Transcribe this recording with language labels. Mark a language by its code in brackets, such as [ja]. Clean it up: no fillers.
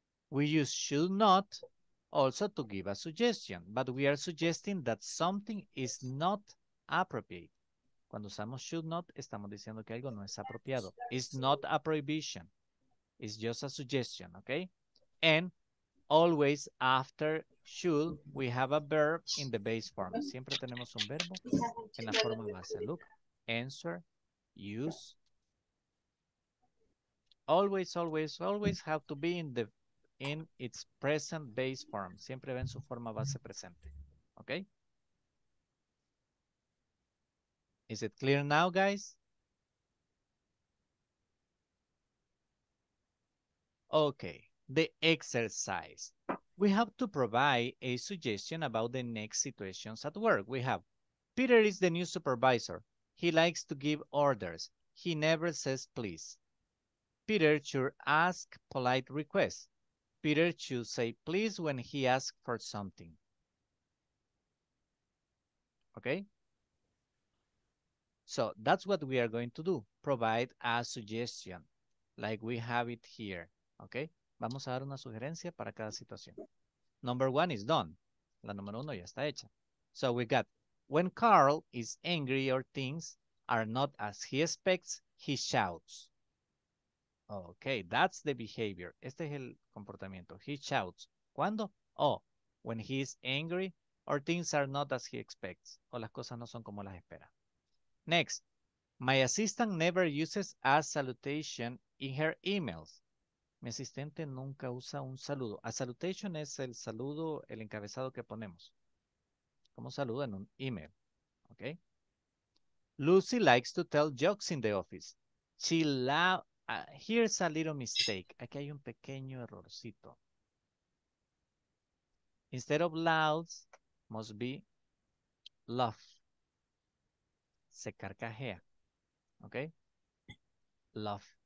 [en] We use should not also to give a suggestion, but we are suggesting that something is not appropriate. [es] Cuando usamos should not, estamos diciendo que algo no es apropiado. [en] It's not a prohibition. It's just a suggestion, okay? And always after should, we have a verb in the base form. [es] Siempre tenemos un verbo en la forma base. [en] Look, answer, use. Always, always, always have to be in the in its present base form. [es] Siempre ven su forma base presente. Okay? [en] Is it clear now, guys? Okay. The exercise. We have to provide a suggestion about the next situations at work. We have Peter is the new supervisor. He likes to give orders. He never says please. Peter should ask polite requests. Peter should say please when he asks for something. Okay? So that's what we are going to do. Provide a suggestion like we have it here. Okay? [es] Vamos a dar una sugerencia para cada situación. [en] Number one is done. [es] La número uno ya está hecha. [en] So we got, when Carl is angry or things are not as he expects, he shouts. Okay, that's the behavior. [es] Este es el comportamiento. [en] He shouts. [es] ¿Cuándo? [en] Oh, when he is angry or things are not as he expects. [es] O las cosas no son como las espera. [en] Next, my assistant never uses a salutation in her emails. [es] Mi asistente nunca usa un saludo. A salutation es el saludo, el encabezado que ponemos. Como saludo en un email. Okay. [en] Lucy likes to tell jokes in the office. She here's a little mistake. [es] Aquí hay un pequeño errorcito. [en] Instead of louds, must be laugh. [es] Se carcajea. [en] Okay? Laugh.